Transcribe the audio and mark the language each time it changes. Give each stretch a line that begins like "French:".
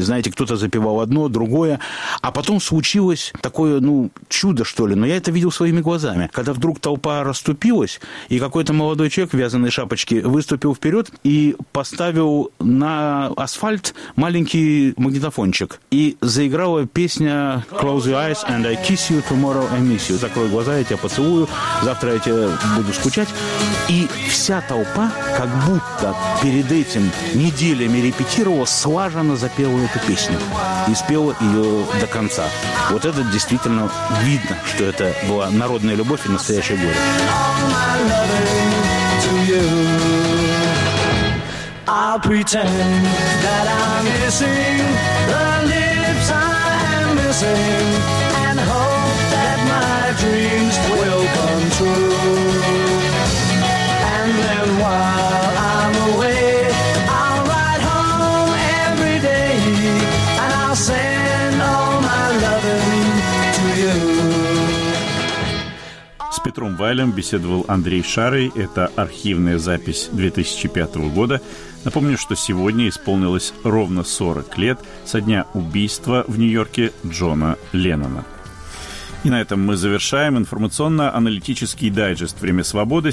Russian: Знаете, кто-то запевал одно, другое. А потом случилось такое, ну, чудо, что ли. Но я это видел своими глазами. Когда вдруг толпа расступилась, и какой-то молодой человек в вязаной шапочке выступил вперед и поставил на асфальт маленький магнитофончик. И заиграла песня
English: «Close your eyes and I kiss you, tomorrow I miss you».
Russian: «Закрой глаза, я тебя поцелую, завтра я тебя буду скучать». И вся толпа, как будто перед этим неделями репетировала, слаженно запела эту песню. И спела ее до конца. Вот это действительно видно, что это была народная любовь и настоящее горе.
English: I'll pretend that I'm missing the lips I am missing and hope that my dreams will come true. And then while I'm away, I'll write home every day and I'll send all my loving to you.
Russian: С Петром Вайлем беседовал Андрей Шарый. Это архивная запись 2005 года. Напомню, что сегодня исполнилось ровно 40 лет со дня убийства в Нью-Йорке Джона Леннона. И на этом мы завершаем информационно-аналитический дайджест «Время свободы».